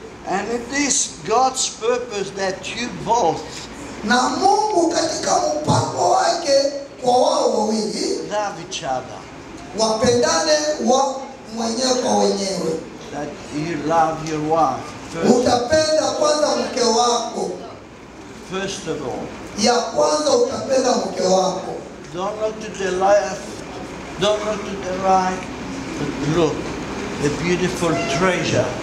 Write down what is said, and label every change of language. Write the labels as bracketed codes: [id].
[en] And it is God's purpose that you both, [sw] na Mungu katika mpango wake kwa wao wawili, [en] love each other, [sw] wapendane wa mwenyewe kwa wenyewe. [en] That you love your wife first. [sw] Utapenda kwanza mke wako. [en] First of all, [sw] ya kwanza utapenda mke wako. [en] Don't look to the left, don't look to the right, but look the beautiful treasure.